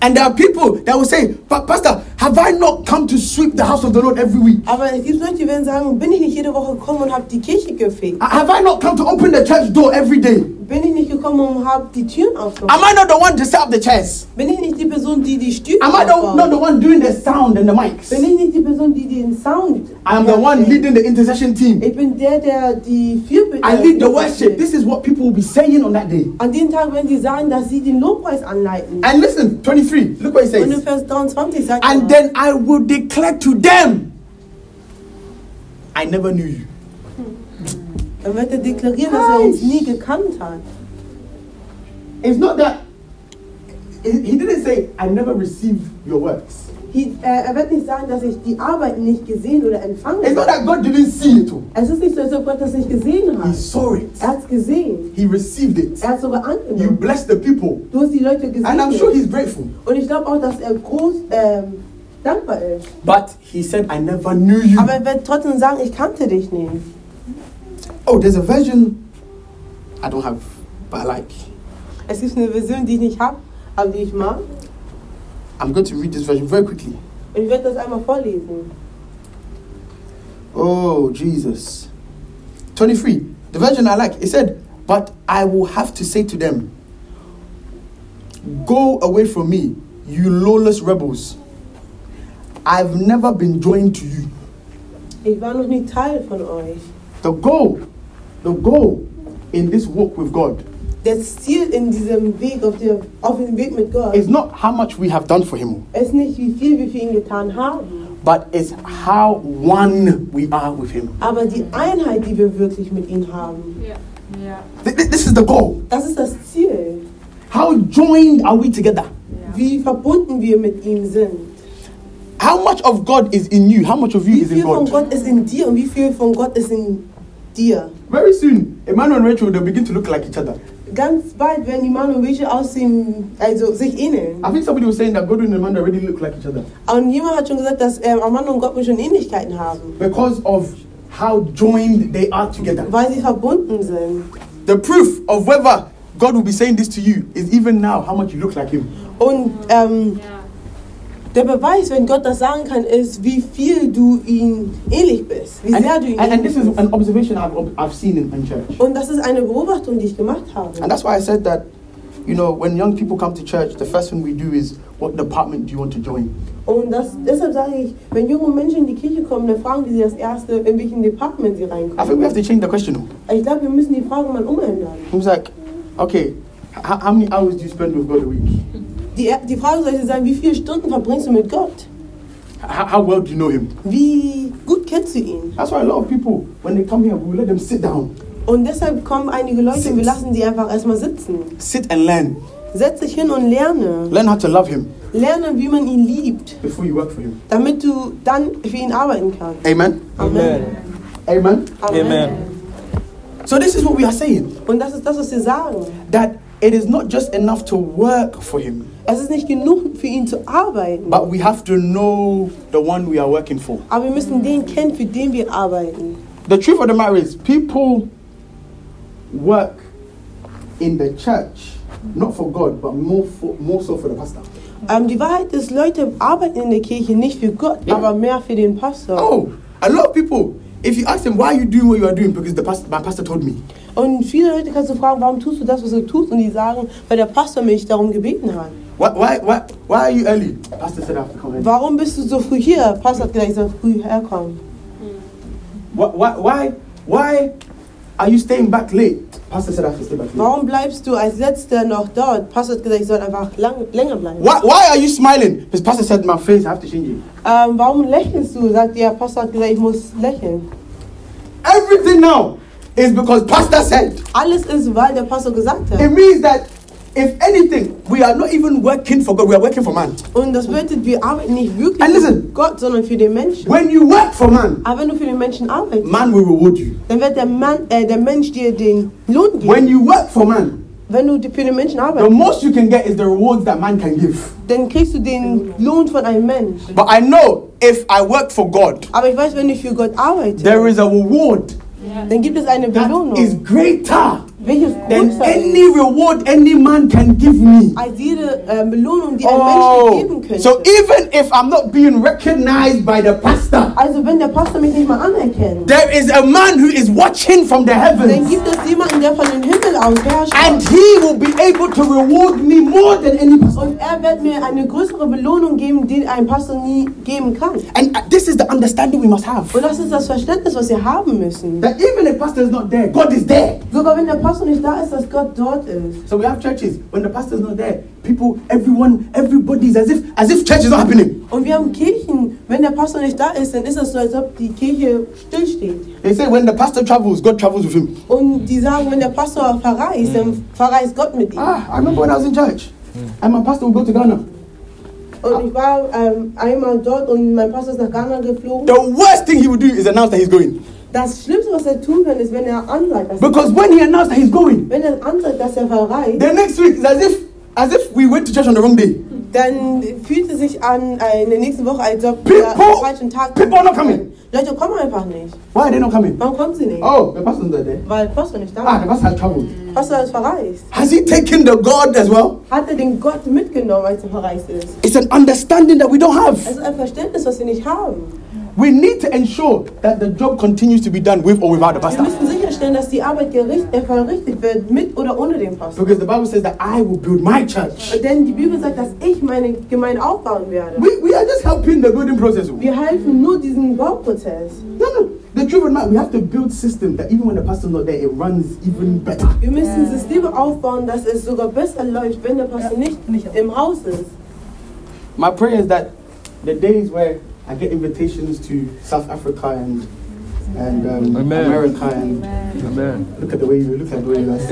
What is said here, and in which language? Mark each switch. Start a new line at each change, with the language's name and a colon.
English: And there are people that will say, but Pastor, have I not come to sweep the house of the Lord every week?
German: Aber es gibt Leute, die werden sagen, bin ich nicht jede Woche gekommen und habe die Kirche gefegt?
English: Have I not come to open the church door every day?
German: Bin ich nicht gekommen und habe die Türen aufgemacht?
English: Am I not the one to set up the chairs?
German: Bin ich nicht die Person, die die Stühle aufbaut?
English: Am I not the one doing the sound and the mics?
German: Bin ich nicht die Person, die den Sound?
English: I am the one leading the intercession team.
German: Ich bin der, der die Fürbitte.
English: I lead the worship. This is what people will be saying on that day.
German: An dem Tag werden sie sagen, dass sie den Lobpreis anleiten.
English: And listen, 23. Look what he says.
German: Und in Vers 23 sagt er.
English: And then I will declare to them, I never knew you.
German: Er wird deklarieren, dass er uns nie gekannt hat.
English: It's not that he didn't say I never received your works.
German: Er wird nicht sagen, dass ich die Arbeit nicht gesehen oder empfangen.
English: It's not that God didn't see it.
German: Es ist nicht so, dass Gott das nicht gesehen hat.
English: He saw it.
German: Er hat's gesehen.
English: He received it.
German: Er hat's sogar angenommen.
English: You blessed the people.
German: Du hast die Leute gesehen.
English: And I'm sure he's grateful.
German: Und ich glaube auch, dass er groß dankbar ist.
English: But he said I never knew you.
German: Aber er wird trotzdem sagen, ich kannte dich nicht.
English: Oh, there's a version I don't have, but I like.
German: Es gibt eine Version, die ich nicht habe, aber die ich mag.
English: I'm going to read this version very quickly.
German: Und ich werde das einmal vorlesen.
English: Oh, Jesus. 23. The version I like. It said, but I will have to say to them, go away from me, you lawless rebels. I've never been joined to you.
German: Ich war noch nie Teil von euch.
English: The goal in this walk with God. That's still in diesem Weg of the of in Weg mit Gott. It's not how much we have done for him.
German: Es nicht wie viel wir für ihn getan haben.
English: But it's how one we are with him.
German: Aber die Einheit, die wir wirklich mit ihm haben.
English: Yeah. Yeah. This is the goal.
German: Das ist das Ziel.
English: How joined are we together?
German: Yeah. Wie verbunden wir mit ihm sind.
English: How much of God is in you? How much of you is in God?
German: Wie viel von Gott ist in dir und wie viel von Gott ist in dir?
English: Very soon, Emmanuel and Rachel will begin to look like each other.
German: Ganz bald werden Emmanuel und Rachel aussehen, also sich ähneln.
English: I think somebody was saying that God and Emmanuel already look like each other.
German: Und jemand hat schon gesagt, dass Emmanuel und Gott schon Ähnlichkeiten haben.
English: Because of how joined they are together.
German: Weil sie verbunden sind.
English: The proof of whether God will be saying this to you is even now how much you look like him.
German: Und der Beweis, wenn Gott das sagen kann, ist, wie viel du ihm ähnlich bist, wie sehr du ihn ähnlich bist.
English: And this is an observation I've seen in church.
German: Und das ist eine Beobachtung, die ich gemacht habe.
English: And that's why I said that, you know, when young people come to church, the first thing we do is, what department do you want to join?
German: Und deshalb sage ich, wenn junge Menschen in die Kirche kommen, dann fragen sie das erste, in welchen Department sie reinkommen.
English: I think we have to change the question.
German: Ich glaube, wir müssen die Frage mal umändern.
English: Who's like, okay, how many hours do you spend with God a week?
German: Die Frage sollte sein, wie viele Stunden verbringst du mit Gott?
English: How well do you know him?
German: Wie gut kennst du ihn?
English: That's why a lot of people, when they come here, we let them sit down.
German: Und deshalb kommen einige Leute, sit. Wir lassen die einfach erstmal sitzen.
English: Sit and learn.
German: Setz dich hin und lerne.
English: Learn how to love him.
German: Lerne, wie man ihn liebt.
English: Before you work for him.
German: Damit du dann für ihn arbeiten kannst.
English: Amen. Amen. Amen. Amen. Amen. Amen. So this is what we are saying.
German: Und das ist das, was wir sagen.
English: That it is not just enough to work for him.
German: Es ist nicht genug für ihn zu arbeiten.
English: But we have to know the one we are working for.
German: Aber wir müssen den kennen, für den wir arbeiten.
English: The truth of the matter is, people work in the church not for God, but more so for the pastor.
German: Die Wahrheit ist, Leute arbeiten in der Kirche nicht für Gott, yeah. Aber mehr für den Pastor.
English: Oh, a lot of people. If you ask them, why are you doing what you are doing? Because my pastor told me.
German: Und viele Leute kannst du fragen, warum tust du das, was du tust? Und die sagen, weil der Pastor mich darum gebeten hat.
English: Why are you early? Pastor said I have to come early.
German: Warum bist du so früh hier? Pastor hat gesagt, ich soll früh herkommen.
English: Why are you staying back late? Pastor said I have to stay back late.
German: Warum bleibst du als letzter noch dort? Pastor hat gesagt, ich soll einfach länger bleiben.
English: Why are you smiling? Because Pastor said my face, I have to change it.
German: Warum lächelst du? Sagt der Pastor hat gesagt, ich muss lächeln.
English: Everything now is because Pastor said.
German: Alles ist, weil der Pastor gesagt hat.
English: It means that if anything, we are not even working for God, we are working for man.
German: Und das bedeutet, wir arbeiten nicht wirklich
English: and listen,
German: für Gott, sondern für den Menschen.
English: When you work for man,
German: aber wenn du für den Menschen arbeitest,
English: man will reward you.
German: Dann wird der Mensch dir den Lohn geben.
English: When you work for man,
German: wenn du für den Menschen arbeitest,
English: the most you can get is the rewards that man can give.
German: Dann kriegst du den Lohn von einem Mensch.
English: But I know if I work for God,
German: aber ich weiß, wenn ich für Gott arbeite,
English: there is a reward.
German: Dann gibt es eine Belohnung.
English: That is greater. than any reward any man can give me. So even if I'm not being recognized by the pastor,
German: also wenn der Pastor mich nicht mal anerkennt,
English: there is a man who is watching from the heavens.
German: Dann gibt es jemanden, der von den Himmel aus herrscht,
English: and he will be able to reward me more than any pastor.
German: Und er wird mir eine größere Belohnung geben, die ein Pastor nie geben kann.
English: And this is the understanding we must have.
German: Und das ist das Verständnis, was wir haben müssen.
English: That even if pastor is not there, God is there.
German: Sogar wenn der Pastor nicht da ist, dass Gott dort ist.
English: So we have churches when the pastor is not there. People, everyone, everybody is as if church is not happening.
German: Und wir haben Kirchen, wenn der Pastor nicht da ist, dann ist es so, als ob die Kirche stillsteht.
English: They say when the pastor travels, God travels with him.
German: Und die sagen, wenn der Pastor verreist, dann verreist Gott mit ihm.
English: Ah, I remember when I was in church, and my pastor would go to Ghana.
German: Und ich war einmal dort und mein Pastor ist nach Ghana geflogen.
English: The worst thing he would do is announce that he's going.
German: Das Schlimmste, was er tun kann, ist, wenn er anreist.
English: Because when he announces that he's going,
German: wenn er anreist, dass er verreist,
English: the next week is as if we went to church on the wrong day.
German: Dann fühlt es sich an in der nächsten Woche, als ob wir am falschen Tag.
English: People are not coming.
German: Leute kommen einfach nicht.
English: Why are they not coming?
German: Warum kommen sie nicht? Oh, der Pastor ist da. Weil Pastor nicht da. Ah, der Pastor hat traveled. Pastor ist verreist.
English: Has he taken the God as well?
German: Hat er den Gott mitgenommen, als er verreist ist?
English: It's an understanding that we don't have.
German: Es ist ein Verständnis, was wir nicht haben.
English: We need to ensure that the job continues to be done with or without the pastor.
German: Wir müssen sicherstellen, dass die Arbeit verrichtet wird mit oder ohne den Pastor.
English: Because the Bible says that I will build my church.
German: Denn die Bibel sagt, dass ich meine Gemeinde aufbauen werde.
English: We are just helping the building process. Wir helfen nur diesen Bauprozess. No. The truth of the matter, we have to build system that even when the pastor's not there, it runs even better.
German: Wir müssen Systeme aufbauen, dass es sogar besser läuft, wenn der Pastor nicht im Haus ist.
English: My prayer is that the days where I get invitations to South Africa and America and Amen. Look at the way you look at the way you are.